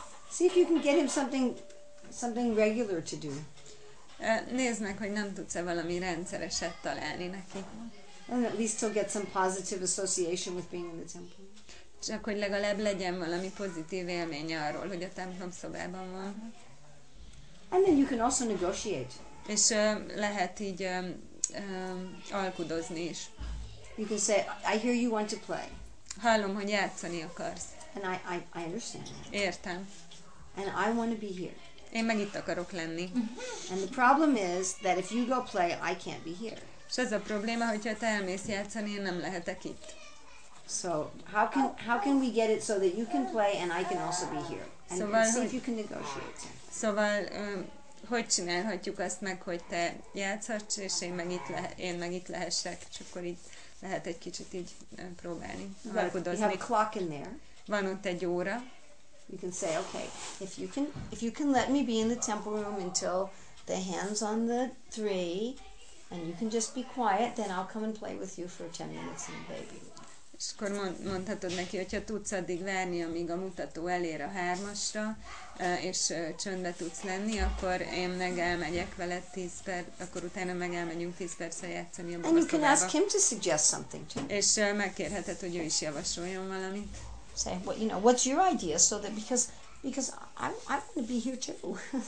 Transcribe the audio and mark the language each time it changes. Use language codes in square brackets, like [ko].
[en] See if you can get him something regular to do. [hu] Nézd meg, hogy nem tudsz-e valami rendszereset találni neki. [en] And at least he'll get some positive association with being in the temple. [hu] Csak hogy legalább legyen valami pozitív élménye arról, hogy a templom szobában van. [en] And then you can also negotiate. [hu] És lehet így alkudozni is. [en] You can say, I hear you want to play. [hu] Hallom, hogy játszani akarsz. [en] And I understand that. [hu] Értem. [en] And I want to be here. [hu] Én meg itt akarok lenni. [en] And the problem is that if you go play, I can't be here. [hu] És ez a probléma, hogyha te elmész játszani, én nem lehetek itt. [en] So how can we get it so that you can play and I can also be here? And [hu] szóval, [en] see if you can negotiate. [hu] Szóval, hogy csinálhatjuk azt meg, hogy te játszhass, és én meg itt lehessek, és akkor itt lehet egy kicsit így próbálni, alkudozni. [en] You have a clock in there. [hu] Van ott egy óra. [en] You can say, okay, if you can let me be in the temple room until the hands on the three, and you can just be quiet, then I'll come and play with you for 10 minutes in the baby room. [hu] És akkor mondhatod neki, hogyha tudsz addig várni, amíg a mutató elér a hármasra, és csöndbe tudsz lenni, akkor én meg elmegyek vele 10 perc, akkor utána meg elmegyünk 10 percre játszani a babaszobába. És megkérheted, hogy ő is javasoljon valamit. [en] Say, well, you know, what's your idea, so that because I want to be here too.